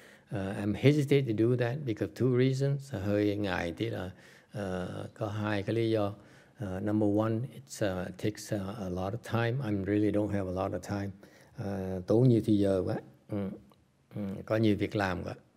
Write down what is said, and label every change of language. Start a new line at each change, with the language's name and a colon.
English: I'm hesitate to do that because of two reasons.
Vietnamese: Hơi ngại tí là có hai cái lý do.
English: Number one, it takes a lot of time. I really don't have a lot of time.
Vietnamese: Tốn nhiều thời giờ quá. Có nhiều việc làm quá.